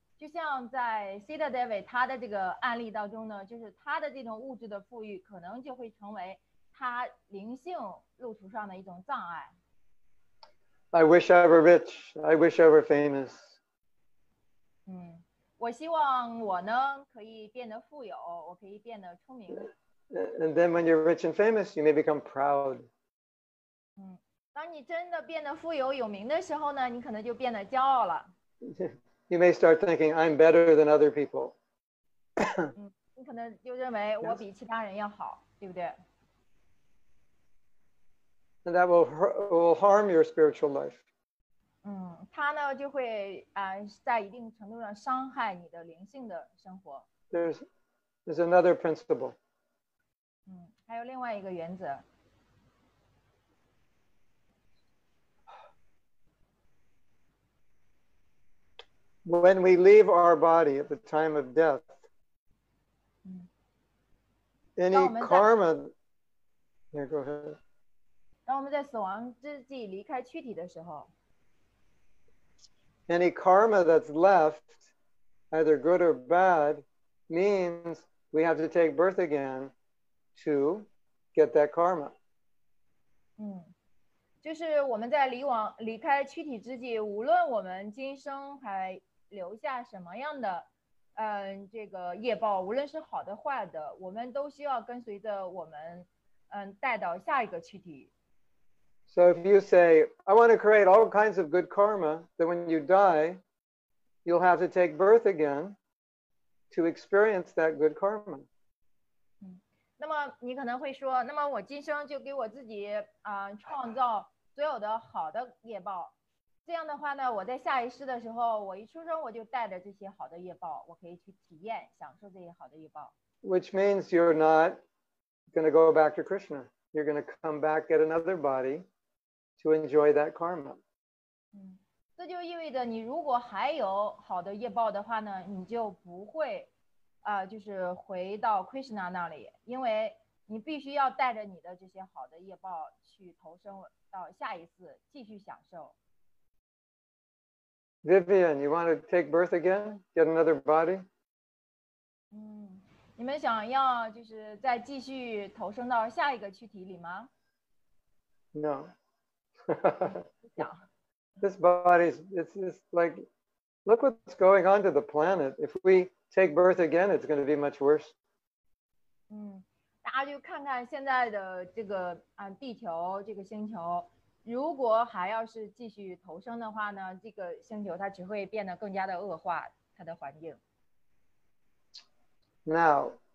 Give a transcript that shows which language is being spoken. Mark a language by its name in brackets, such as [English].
[Chinese] 就像在 Sita Devi 他的这个案例当中呢，就是他的这种物质的富裕可能就会成为他灵性路途上的一种障碍。 [English] I wish I were rich. I wish I were famous. [Chinese] 我希望我呢可以变得富有，我可以变得出名。 [English] And then when you're rich and famous, you may become proud. [Chinese] 当你真的变得富有有名的时候呢，你可能就变得骄傲了。 [English] You may start thinking I'm better than other people. [Chinese] 你可能就认为我比其他人要好，对不对？ [English] And that will harm your spiritual life. [Chinese] 它呢就会在一定程度上伤害你的灵性的生活。 [English] There's another principle. [Chinese] 还有另外一个原则。 [English] When we leave our body at the time of death, any karma. Yeah, go ahead. [Chinese] 当我们在死亡之际离开躯体的时候 [English] ，any karma that's left, either good or bad, means we have to take birth again to get that karma. [Chinese] 就是我们在离开躯体之际，无论我们今生还留下什么样的，这个业报，无论是好的坏的，我们都需要跟随着我们，带到下一个躯体。 [English] So if you say, I want to create all kinds of good karma, then when you die, you'll have to take birth again to experience that good karma. [Chinese] 那么你可能会说，那么我今生就给我自己创造所有的好的业报。这样的话呢，我在下一世的时候，我一出生我就带着这些好的业报，我可以去体验，享受这些好的业报。 [English] Which means you're not going to go back to Krishna. You're going to come back, get another body. To enjoy that karma. [Chinese] 这就意味着你如果还有好的业报的话呢，你就不会，就是回到 Krishna 那里，因为你必须要带着你的这些好的业报去投生到下一次继续享受。 [English] Vivian, you want to take birth again, get another body? [Chinese] 你们想要就是再继续投生到下一个躯体里吗 [English] ？No. This body is it's like, look what's going on to the planet. If we take birth again, it's going to be much worse. [Chinese] 大家就看看现在的这个地球这个星球，如果还要是继续投生的话呢，这个星球它只会变得更加的恶化它的环境。 [English] Now.